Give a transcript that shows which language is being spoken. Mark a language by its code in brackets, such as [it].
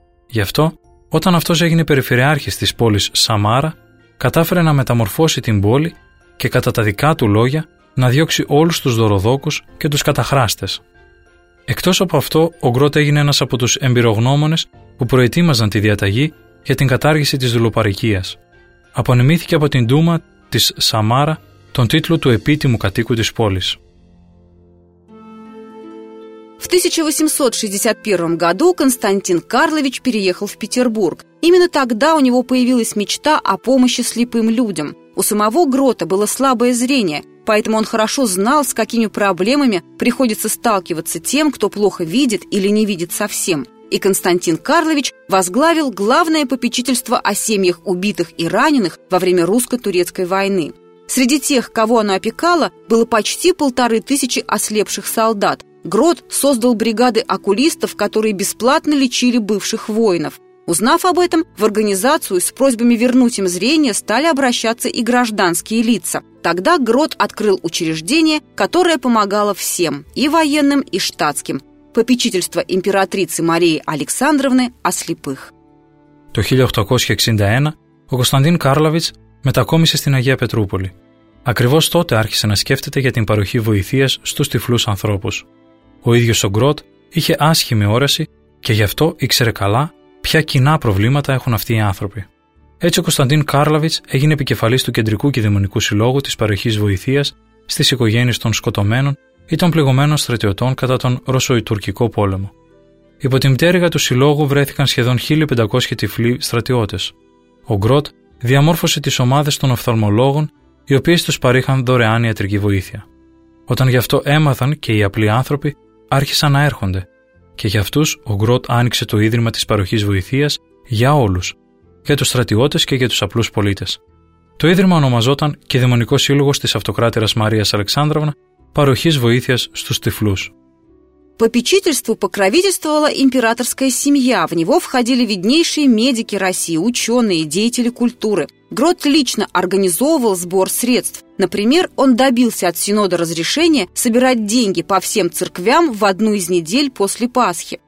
[el] Γι' αυτό, όταν αυτός έγινε περιφερειάρχης της πόλης Σαμάρα, κατάφερε να μεταμορφώσει την πόλη και κατά τα δικά του λόγια να διώξει όλους τους δωροδόκους και τους καταχράστες. Εκτός από αυτό, ο Γκροτ έγινε ένας από τους εμπειρογνώμονες που προετοίμαζαν τη διαταγή για την κατάργηση της δουλοπαρικίας. Απονεμήθηκε από την Ντούμα της Σαμάρα τον τίτλο του επίτιμου κατοίκου της πόλης. [ru] В 1861 году Константин Карлович переехал в Петербург. Именно тогда у него появилась мечта о помощи слепым людям. У самого Грота было слабое зрение, поэтому он хорошо знал, с какими проблемами приходится сталкиваться тем, кто плохо видит или не видит совсем. И Константин Карлович возглавил главное попечительство о семьях убитых и раненых во время русско-турецкой войны. Среди тех, кого оно опекало, было почти 1500 ослепших солдат. Грот создал бригады окулистов, которые бесплатно лечили бывших воинов. Узнав об этом, в организацию с просьбами вернуть им зрение стали обращаться и гражданские лица. Тогда Грот открыл учреждение, которое помогало всем – и военным, и штатским. Попечительство императрицы Марии Александровны о слепых. [el] Το 1861 ο Κωνσταντίν Κάρλαβιτς μετακόμισε στην Αγία Πετρούπολη. Ακριβώς τότε άρχισε να σκέφτεται για την παροχή βοηθείας στους τυφλούς ανθρώπους. Ο ίδιος ο Γκροτ είχε άσχημη όραση και γι' αυτό ήξερε καλά ποια κοινά προβλήματα έχουν αυτοί οι άνθρωποι. Έτσι ο Κωνσταντίν Κάρλαβιτς έγινε επικεφαλής του Κεντρικού Κηδεμονικού Συλλόγου της παροχής βοηθείας στις οικογένειες των σκοτωμένων ή των πληγωμένων στρατιωτών κατά τον Ρωσοϊτουρκικό πόλεμο. Υπό την πτέρυγα του συλλόγου βρέθηκαν σχεδόν 1.500 τυφλοί στρατιώτες. Ο Γκροτ διαμόρφωσε τις ομάδες των οφθαλμολόγων, οι οποίες τους παρήχαν δωρεάν ιατρική βοήθεια. Όταν γι' αυτό έμαθαν και οι απλοί άνθρωποι, άρχισαν να έρχονται. Και για αυτούς ο Γκροτ άνοιξε το ίδρυμα της παροχής βοηθείας για όλους, για τους στρατιώτες και για τους απλούς πολίτες. Το ίδρυμα ονομαζόταν Κηδεμονικός Σύλλογος της Αυτοκράτειρας Μαρίας Αλεξάνδρωνα Παροχής Βοήθειας στους Τυφλούς. [ru] Попечительству покровительствовала императорская семья. В него входили виднейшие медики России, ученые, деятели культуры. Грот лично организовывал сбор средств. Например, он добился от синода разрешения собирать деньги по всем церквям в одну из недель после Пасхи.